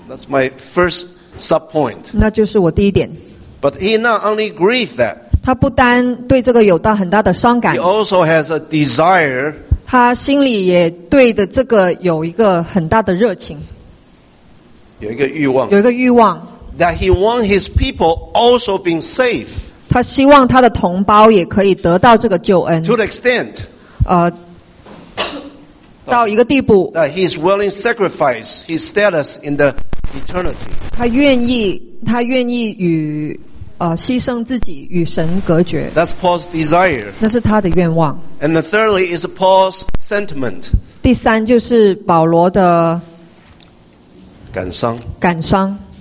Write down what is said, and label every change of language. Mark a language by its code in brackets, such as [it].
[en] That's my first sub point. [zh] 那就是我第一点 [en] But he not only grieved that. [zh] 他不单对这个有到很大的伤感。 [en] He also has a desire. [zh] 他心里也对的这个有一个很大的热情。有一个欲望。有一个欲望。 [en] That he want his people also being saved. [zh] 他希望他的同胞也可以得到这个救恩。 [en] To the extent. [zh] 到一个地步。 [en] That he is willing to sacrifice his status in the eternity. [zh] 他愿意与牺牲自己与神隔绝。 [en] That's Paul's desire. [zh] 那是他的愿望。 [en] And the thirdly is Paul's sentiment. [zh] 第三就是保罗的感伤。感伤。